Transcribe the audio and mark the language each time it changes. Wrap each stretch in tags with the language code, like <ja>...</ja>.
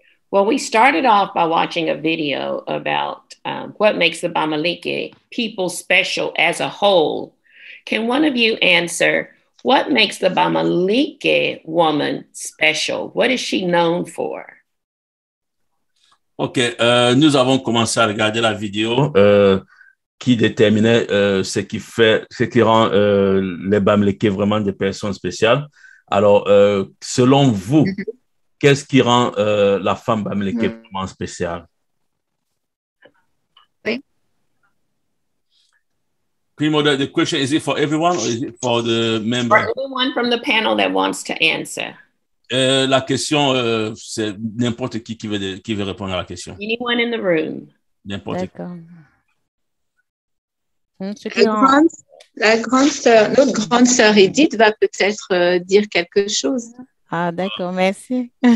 <en>Well, we started off by watching a video about what makes the Bamlake people special as a whole. Can one of you answer what makes the Bamlake woman special? What is she known for?</en> <fr>OK, nous avons commencé à regarder la vidéo qui déterminait ce qui rend les Bamlake vraiment des personnes spéciales. Alors, selon vous, qu'est-ce qui rend la femme Bamlake vraiment spéciale? Oui.</fr> <en>Primo, the question, is it for everyone or is it for the member? For anyone from the panel that wants to answer.</en> <fr>La question, c'est n'importe qui veut répondre à la question.</fr> <en>Anyone in the room.</en> <fr>N'importe qui. Notre grande sœur Edith va peut-être dire quelque chose. Ah, d'accord, merci.</fr>